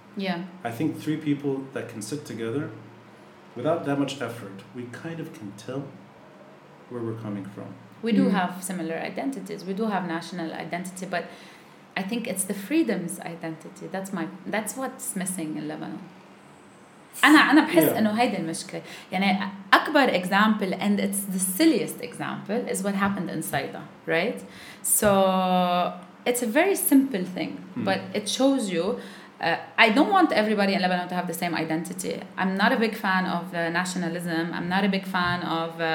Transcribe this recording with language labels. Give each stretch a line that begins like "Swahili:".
English: Yeah. I think three people that can sit together, without that much effort, we kind of can tell where we're coming from. We do have similar identities. We do have national identity, but I think it's the freedom's identity. That's what's missing in Lebanon.
Arabic: أنا بحس إنه هيدا المشكلة. يعني أكبر
English: example, and it's the silliest example, is what happened in Saida, right? So it's a very simple thing, but it shows you. I don't want everybody in Lebanon to have the same identity. I'm not a big fan of nationalism. I'm not a big fan of.